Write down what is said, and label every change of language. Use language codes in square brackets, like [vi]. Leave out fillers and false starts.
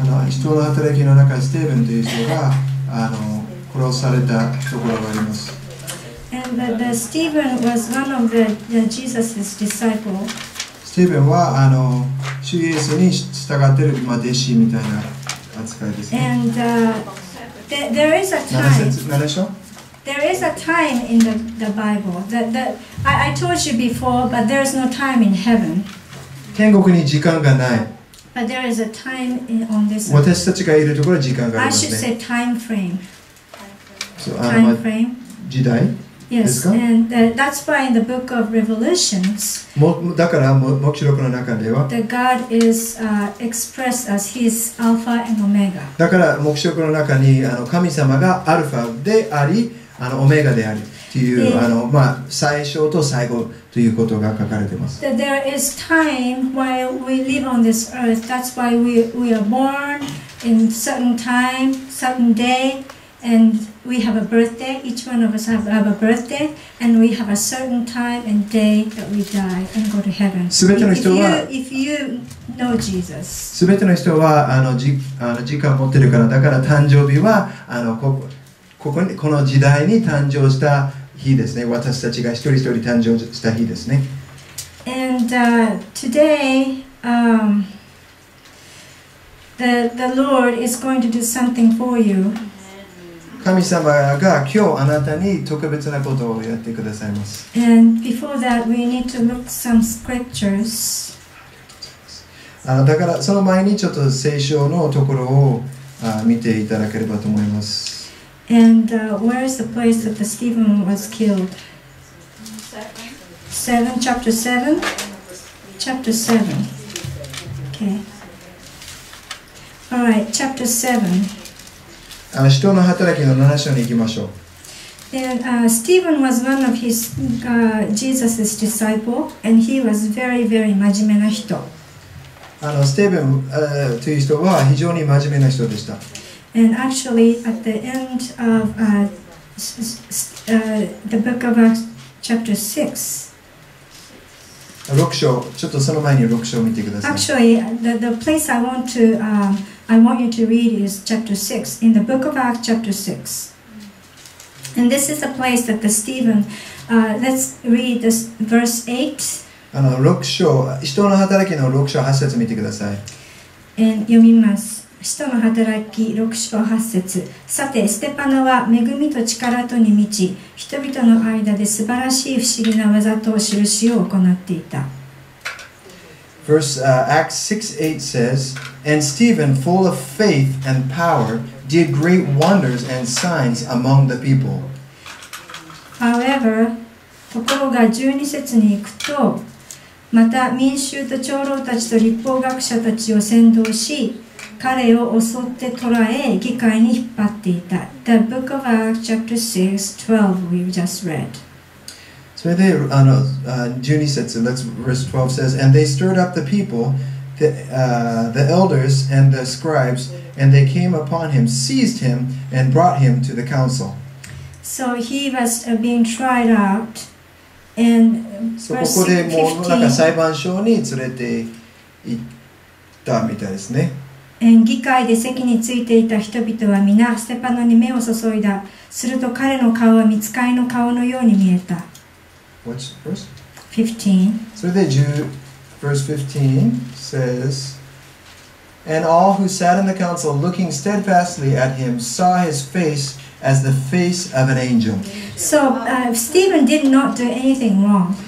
[ja] 使徒の働きの中でステーブンという人が殺されたところがあります。 [en] And the Stephen was one of the Jesus' disciples. [ja] Stephen は主イエスに従っている、まあ、弟子みたいな扱いですね。 [en] And there is a time. [ja] 何でしょう？ [en] There is a time in the Bible. I told you before, but there is no time in heaven. [ja] 天国に時間がない。 [en] But there is a time on this earth. [ja] 私たちがいるところは時間がありますね。 [en] I should say time frame. So, time frame. [ja] 時代ですか? [en] Yes, and that's why in the book of Revelations, [ja] だから黙示録の中では [en] the God is expressed as His Alpha and Omega. [ja] だから黙示録の中に神様がアルファでありオメガでありという最初と最後ということが書かれています。 [en] That there is time while we live on this earth. That's why we are born in certain time, certain day. And we have a birthday. Each one of us have a birthday, and we have a certain time and day that we die and go to heaven. If you know Jesus, [ja] 全ての人は時間を持ってるから、だから誕生日はこの時代に誕生した日ですね。私たちが一人一人誕生した日ですね。 [en] And today, the Lord is going to do something for you. [ja] 神様が今日あなたに特別なことをやってくださいます。 [en] And before that, we need to look some scriptures. [ja] だからその前にちょっと聖書のところを見ていただければと思います。 [en] And where is the place that the Stephen was killed? 7, chapter 7? Chapter 7. Okay. Alright, chapter 7. [ja] 使徒の働きの7章に行きましょう。 [en] Stephen was one of his Jesus's disciple, and he was very, very [ja] 真面目な人。 Stephen という人は非常に真面目な人でした。 [en] And actually, at the end of the book of Acts, chapter 6. [ja] 6章、ちょっとその前に6章を見てください。 [en] Actually, the place I want to, I want you to read is chapter 6, in the book of Acts, chapter 6. And this is the place that the Stephen, let's read this verse 8. [ja] あの6章、使徒の働きの6章8節見てください。読みます。使徒の働き6章8節。さて、ステパノは恵みと力とに満ち、人々の間で素晴らしい不思議な技と印を行っていた。 [en] Acts 6:8 says, And Stephen, full of faith and power, did great wonders and signs among the people. However, [ja] ところが12節に行くと、また民衆と長老たちと律法学者たちを先導し、彼を襲って捕らえ、議会に引っ張っていた。 [en] The book of Acts, chapter 6, 12, we've just read. [ja] それで、12節、 [en] verse 12 says, And they stirred up the people, the elders and the scribes, and they came upon him, seized him, and brought him to the council. So he was being tried out. [ja] そこでもうなんか裁判所に連れて行ったみたいですね。議会で席についていた人々は皆ステパノに目を注いだ。すると彼の顔は見つかりの顔のように見えた。 [en] What's the verse? 15. [ja] それで [en] verse 15 says, And all who sat in the council looking steadfastly at him saw his face as the face of an angel. So, Stephen did not do anything wrong.